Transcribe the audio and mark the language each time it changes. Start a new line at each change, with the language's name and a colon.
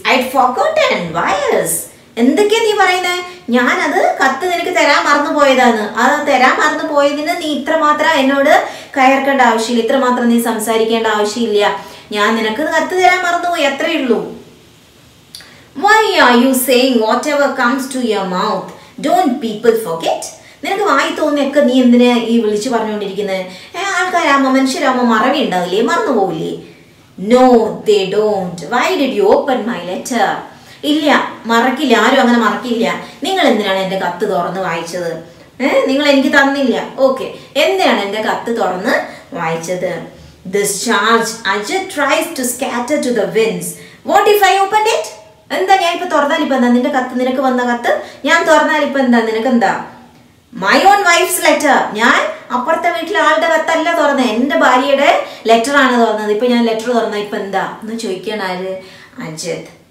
English: I'd forgotten. Why is?
Malayalam: എന്തൊക്കെയാ നീ പറയുന്നേ? ഞാനത് കത്ത് നിനക്ക് തരാൻ മറന്നു പോയതാണ്. അത് തരാൻ മറന്നു പോയതിന് നീ ഇത്രമാത്രം എന്നോട് കയർക്കേണ്ട ആവശ്യമില്ല, ഇത്രമാത്രം നീ സംസാരിക്കേണ്ട ആവശ്യമില്ല. ഞാൻ നിനക്ക് കത്ത് തരാൻ മറന്നുപോയി, അത്രേ ഉള്ളൂ.
English: Why are you saying whatever comes to your mouth? Don't people forget?
Malayalam: നിനക്ക് വായി തോന്നിയൊക്കെ നീ എന്തിനാ ഈ വിളിച്ചു പറഞ്ഞുകൊണ്ടിരിക്കുന്നത്? ആൾക്കാരാകുമ്പോ മനുഷ്യരാകുമ്പോ മറവിണ്ടാവില്ലേ, മറന്നു പോവില്ലേ?
English: No, they don't. Why did you open my letter?
Malayalam: ഇല്ല, മറക്കില്ല, ആരും അങ്ങനെ മറക്കില്ല. നിങ്ങൾ എന്തിനാണ് എൻ്റെ കത്ത് തുറന്ന് വായിച്ചത്? നിങ്ങൾ എനിക്ക് തന്നില്ല. ഓക്കെ, എന്തിനാണ് എൻ്റെ കത്ത് തുറന്ന് വായിച്ചത്?
English: This charge Ajith tries to scatter to the winds. What if I opened it?
Malayalam: എന്താ ഞാൻ ഇപ്പൊ തുറന്നാൽ ഇപ്പൊ എന്താ നിന്റെ കത്ത്, നിനക്ക് വന്ന കത്ത് ഞാൻ തുറന്നാൽ ഇപ്പൊ എന്താ നിനക്ക്? എന്താ,
English: My own wife's letter.
Malayalam: ഞാൻ അപ്പുറത്തെ വീട്ടിലെ ആളുടെ കത്തല്ല തുറന്നത്, എൻ്റെ ഭാര്യയുടെ ലെറ്റർ ആണ് തുറന്നത്. ഇപ്പൊ ഞാൻ ലെറ്റർ തുറന്ന ഇപ്പൊ എന്താ എന്ന് ചോദിക്കുകയാണ് ആര്? അജിത്.